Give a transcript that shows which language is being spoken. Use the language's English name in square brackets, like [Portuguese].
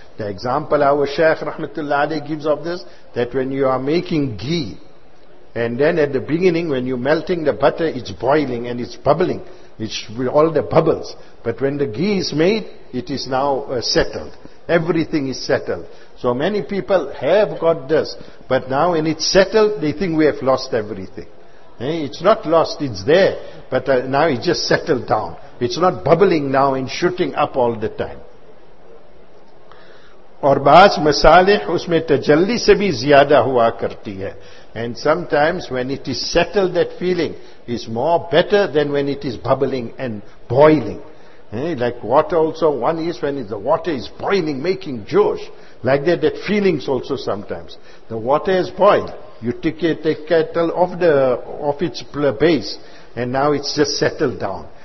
[English] The example our Shaykh Rahmatullah Ali gives of this, that when you are making ghee, and then at the beginning when you're melting the butter, it's boiling and it's bubbling, it's with all the bubbles, but when the ghee is made, it is now settled, everything is settled. So many people have got this, but now when it's settled, they think we have lost everything. It's not lost, it's there, but now it's just settled down, it's not bubbling now and shooting up all the time. [Urdu] اور بعض مصالح اس میں تجلی سے بھی زیادہ ہوا کرتی ہے. [English] And sometimes when it is settled, that feeling is more better than when it is bubbling and boiling. Like water also, one is when the water is boiling, making josh. Like that, that feelings also sometimes. The water has boiled. You take a kettle off the off its base and now it's just settled down.